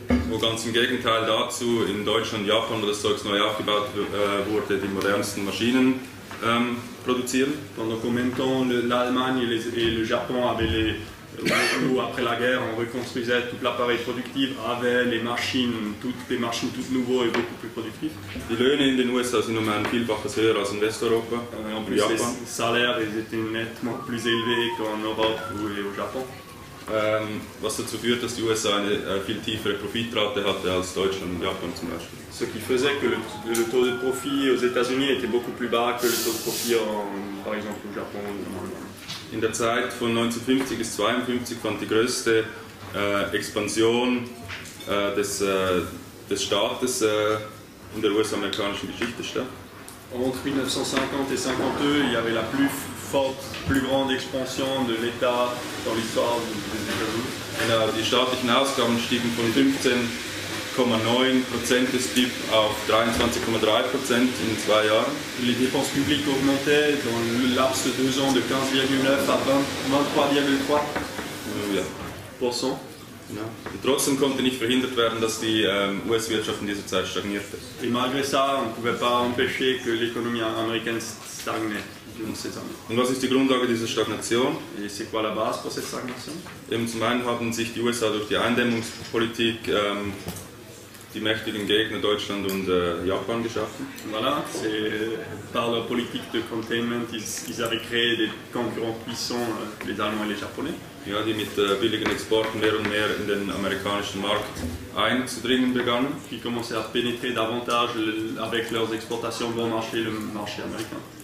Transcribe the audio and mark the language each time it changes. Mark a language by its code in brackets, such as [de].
[de] Wo ganz im Gegenteil dazu in Deutschland, Japan, wo das Zeug neu aufgebaut wurde, die modernsten Maschinen produzieren. [fr] Pendant qu'en même temps l'Allemagne et le Japon après la guerre, on reconstruisait tout l'appareil productif, avaient des machines toutes nouvelles et beaucoup plus productives. [de] Die Löhne in den USA sind um ein Vielfaches höher als in Westeuropa. [fr] En plus, les salaires étaient nettement plus élevés qu'en Europe ou au Japon. [de] Was dazu führt, dass die USA eine viel tiefere Profitrate hatte als Deutschland und Japan zum Beispiel. [fr] Ce qui faisait que le taux de profit aux États-Unis était beaucoup plus bas que le taux de profit par exemple au Japon ou en Allemagne. [de] In der Zeit von 1950 bis 1952 fand die größte Expansion des, des Staates in der US-amerikanischen Geschichte statt. [fr] Entre 1950 et 52, il y avait la plus forte, plus grande expansion de l'État dans l'histoire des États-Unis. [de] Genau, die staatlichen Ausgaben stiegen von 15,9% des BIP auf 23,3% in zwei Jahren. [fr] Les dépenses publiques augmentaient dans le laps de deux ans de 15,9 à 23,3%. [de] Ja. Und trotzdem konnte nicht verhindert werden, dass die US-Wirtschaft in dieser Zeit stagnierte. [fr] Et malgré ça, on ne pouvait pas empêcher que l'économie américaine stagne durant ces années. [de] Und was ist die Grundlage dieser Stagnation? [fr] Et c'est quoi la base pour cette stagnation? [de] Eben zum einen haben sich die USA durch die Eindämmungspolitik die mächtigen Gegner Deutschland und Japan geschaffen. [fr] Voilà, c'est par la politique de containment, ils avaient créé des concurrents puissants, les Allemands et les Japonais. [de] Ja, die mit billigen Exporten mehr und mehr in den amerikanischen Markt einzudringen begannen. [fr] Qui commençaient à pénétrer davantage avec leurs exportations bon marché, le marché américain.